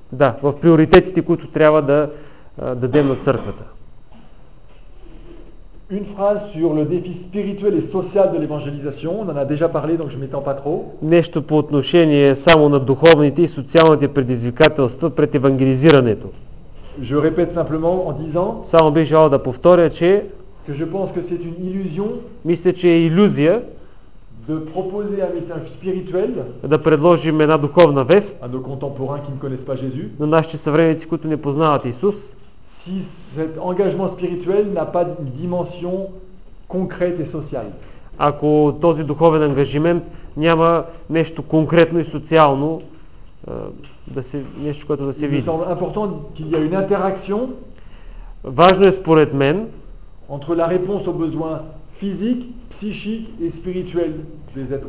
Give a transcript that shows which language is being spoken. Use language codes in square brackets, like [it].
[bg] Да, в приоритетите, които трябва да дадем на църквата. [fr] Une phrase sur le défi spirituel et social de l'évangélisation, on en a déjà parlé donc je m'étends pas trop. [bg] Нещо по отношение само на духовните и социалните предизвикателства пред евангелизирането. [fr] Je répète simplement en disant, [bg] само би желал да повторя, че [fr] que je pense que c'est une illusion, [bg] мисля, че е иллюзия [fr] de proposer un message spirituel, [bg] да предложим една духовна вест, [fr] à nos contemporains qui ne connaissent pas Jésus, [bg] на нашите съвременици, които не познават Исус, [fr] si cet engagement spirituel n'a pas une dimension concrète et sociale. [bg] Ако този духовен ангажимент няма нещо конкретно и социално, да се нещо, което да се види. [fr] Il me semble important qu'il y a une interaction, [bg] важно е според мен, [fr] entre la réponse aux besoins physique, psychique et spirituel des êtres.